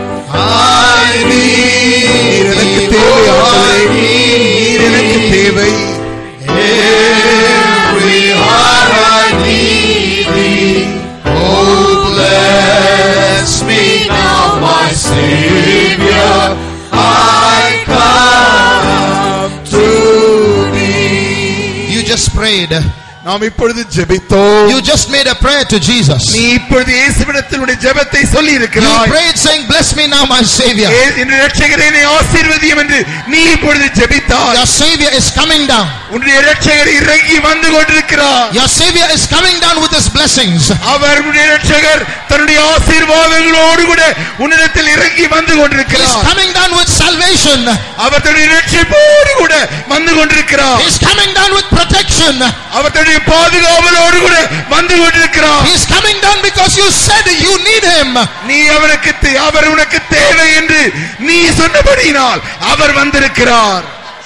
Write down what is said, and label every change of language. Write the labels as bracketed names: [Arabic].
[English] I need thee, oh I need thee, every heart I need thee, oh bless me now my Savior, I come to thee. You just prayed. [Tamil] நாம் இப்பொழுது ஜெபித்தோம். [English] You just made a prayer to Jesus. [Tamil] நீ இப்பொழுது இயேசுவினத்தினுடைய ஜெபத்தை சொல்லி இருக்கிறாய். [English] You prayed saying bless me now my Savior. [Tamil] என்னுடைய இரட்சகரே என்னை ஆசீர்வதியும் என்று நீ இப்பொழுது ஜெபித்தாய். [English] Your Savior is coming down. [Tamil] உன்னுடைய இரட்சகர் இறங்கி வந்து கொண்டிருக்கிறார். [English] Your Savior is coming down with his blessings. [Tamil] அவர் இரட்சகர் தன்னுடைய ஆசீர்வாதங்களோடு கூட உன்னிடத்தில் இறங்கி வந்து கொண்டிருக்கிறார். [English] He is coming down with salvation. [Tamil] அவர் தன்னுடைய இரட்சிப்போடு கூட வந்து கொண்டிருக்கிறார். [English] He is coming down with protection. [Tamil] அவர் பாதுகாவலோடு கூட வந்து கொண்டிருக்கிறார். [English] He is coming down because you said you need him. [Tamil] நீ அவருக்கு அவர் உனக்கு தேவை என்று நீ சொன்னபடியினால் அவர் வந்திருக்கிறார்.